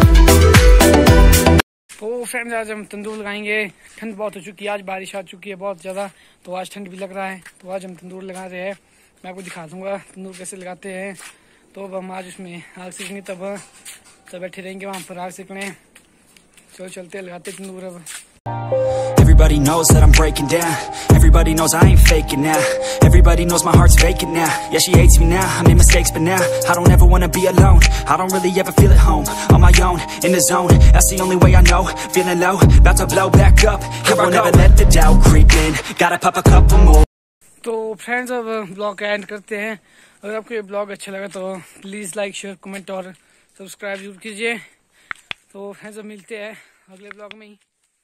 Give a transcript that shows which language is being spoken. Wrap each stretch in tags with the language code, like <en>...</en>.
<hi>Friends आज हम तंदूर लगाएंगे। ठंड बहुत हो चुकी है, आज बारिश आ चुकी है बहुत ज्यादा, तो आज ठंड भी लग रहा है। तो आज हम तंदूर लगा रहे हैं, मैं आपको दिखा दूंगा तंदूर कैसे लगाते हैं। तो अब हम आज उसमें आग सेकेंगे, तब बैठे रहेंगे वहां पर आग सेकने। चलो चलते लगाते तंदूर अब।</hi> <en>Everybody knows that I'm breaking down. Everybody knows I ain't faking now. Everybody knows my heart's faking now. Yeah, she hates me now. I made mistakes, but now I don't ever wanna be alone. I don't really ever feel at home. On my own, in the zone. That's the only way I know. Feeling low, about to blow back up. Here I'll never let the doubt creep in. Gotta pop a couple more.</en> <hi>तो friends अब blog and करते हैं। अगर आपको ये blog अच्छा लगा तो प्लीज लाइक, शेयर, कमेंट और सब्सक्राइब जरूर कीजिए। तो फ्रेंड्स अब मिलते हैं अगले ब्लॉग में ही।</hi>